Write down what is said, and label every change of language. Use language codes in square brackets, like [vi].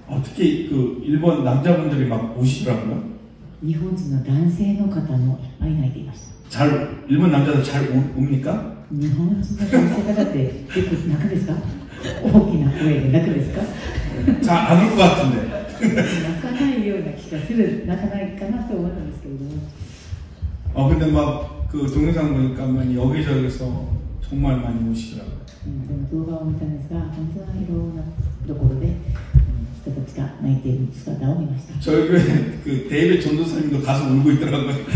[ko] 어떻게 그 일본 남자분들이 막 우시더라고요? [ja] 日本人の男性の方もいっぱい泣いていました。 [ko] 잘 일본 남자들 잘 웁니까? [ja] 日本人の男性方って結構泣くですか?大きな声で泣くですか? [ko] じゃあ 안 울 것 같은데. [ja] 泣かないような気がする。泣かないかなと思ったんですけれども。 [ko] 근데 막 그 동영상 보니까 막 여기저기서 정말 많이 오시더라고요. 동영상을 보니까 정말 [ja] いろんなところで人たちが泣いている姿を見ました。 [ko] 저희 교회 그 데이빗 전도사님도 가서 울고 있더라고요.